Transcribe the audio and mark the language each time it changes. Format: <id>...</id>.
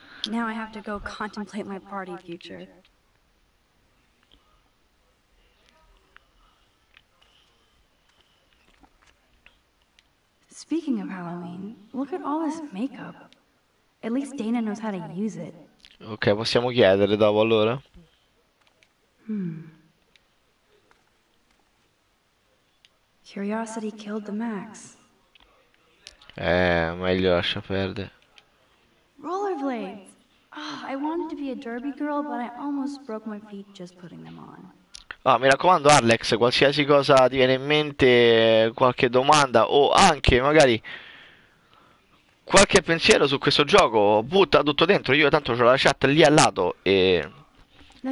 <en>Now I have to go contemplate my party future. Speaking of Halloween, look at all this makeup. At least Dana knows how to use it.</en> <it>Ok, possiamo chiedere dopo allora?</it> <en>Curiosity killed the Max.</en> <it>Meglio lascia perdere.</it> <en>Rollerblades. Oh, I wanted to be a derby girl, but I almost broke my feet just putting them on.</en> <it>Ah, mi raccomando, Alex, qualsiasi cosa ti viene in mente, qualche domanda o anche magari qualche pensiero su questo gioco, butta tutto dentro. Io tanto ho la chat lì al lato e posso</it>